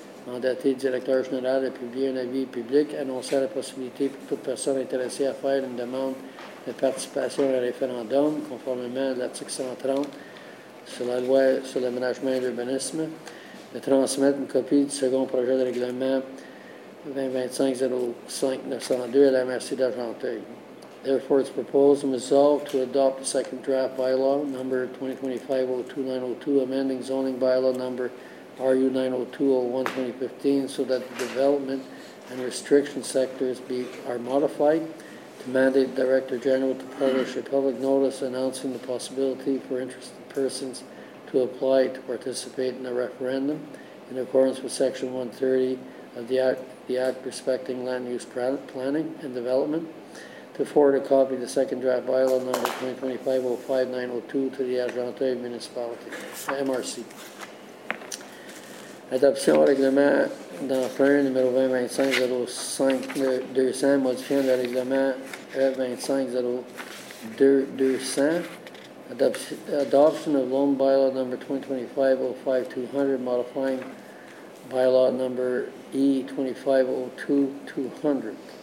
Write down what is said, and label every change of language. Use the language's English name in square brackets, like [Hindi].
[French] Mandaté le directeur général de publier un avis public annonçant la possibilité pour toute personne intéressée à faire une demande de participation à un référendum conformément à l'article 130 sur la loi sur l'aménagement et l'urbanisme, de transmettre une copie du second projet de règlement 2025-05-902 à la MRC d'Argenteuil. [English] Therefore, it's proposed and resolved to adopt the second draft bylaw number 2025-02-902, amending zoning bylaw number RU 902-01-2015 so that the development and restriction sectors are modified to mandate Director General to publish a public notice announcing the possibility for interested persons to apply to participate in a referendum in accordance with Section 130 of the Act respecting land use planning and development, to forward a copy of the second draft bylaw number 2025-05902 to the Adjunte municipality, MRC. [French] Adoption au règlement dans le plan numéro 2025-05 200, modifiant le règlement E25-02-200. [English] Adoption of loan bylaw number 2025-05200, modifying bylaw number E25-02-200.